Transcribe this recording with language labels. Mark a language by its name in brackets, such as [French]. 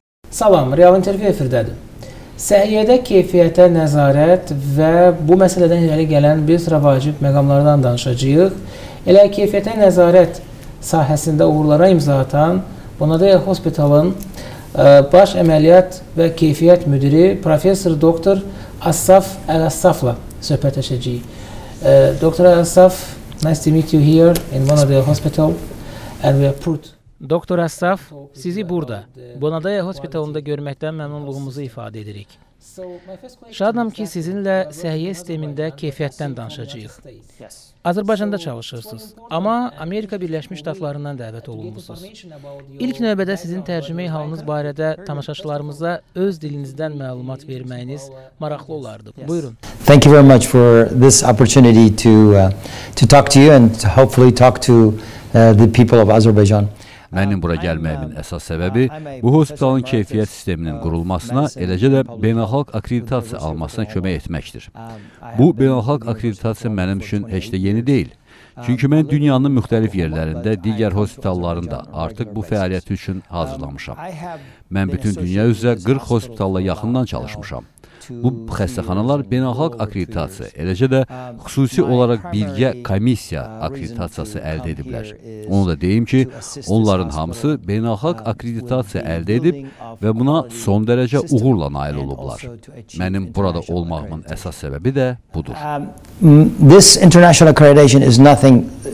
[Azerbaijani] Salam, Real İnterviyu efirdədir. Səhiyyədə keyfiyyətə nəzarət və bu məsələdən irəli gələn bir sıra vacib məqamlardan danışacağıq. Elə keyfiyyətə nəzarət sahəsində uğurlara imza atan Bonadeya Hospitalın baş əməliyyat və keyfiyyət müdiri Profesör Doktor Asaf Əl-Asafla söhbətləşəcəyik. Doktor Əl-Asaf, [English] nice to meet you here in Bonadeya Hospital and we are proud. [Azerbaijani] Doktor Asaf, sizi burada, Bonadeya Hospitalında görməkdən məmnunluğumuzu ifadə edirik. Şadam ki, sizinlə səhiyyə sistemində keyfiyyətdən danışacağıq. Azərbaycanda çalışırsınız, amma Amerika Birləşmiş Ştatlarından dəvət olunmuşsunuz. İlk növbədə sizin tərcümey halınız barədə tamaşaçılarımıza öz dilinizdən məlumat verməyiniz maraqlı olardı. Buyurun. [English] Thank you very much for this opportunity to talk to you and to hopefully talk to the people of Azerbaijan. [Azerbaijani] Mənim bura gəlməyimin əsas səbəbi bu hospitalın keyfiyyət sisteminin qurulmasına, eləcə də beynəlxalq akreditasiya almasına kömək etməkdir. Bu beynəlxalq akreditasiya mənim üçün heç də yeni deyil. Çünki mən dünyanın müxtəlif yerlərində, digər hospitallarında artıq bu fəaliyyət üçün hazırlamışam. Mən bütün dünya üzrə 40 hospitalla yaxından çalışmışam. Bu xəstəxanalar beynəlxalq akreditasiya, eləcə də xüsusi olaraq birgə komissiya akreditasiyası əldə ediblər. Onu da deyim ki, onların hamısı beynəlxalq akreditasiya əldə edib və buna son dərəcə uğurla nail olublar. Mənim burada olmağımın əsas səbəbi də budur. [English] This international accreditation is nothing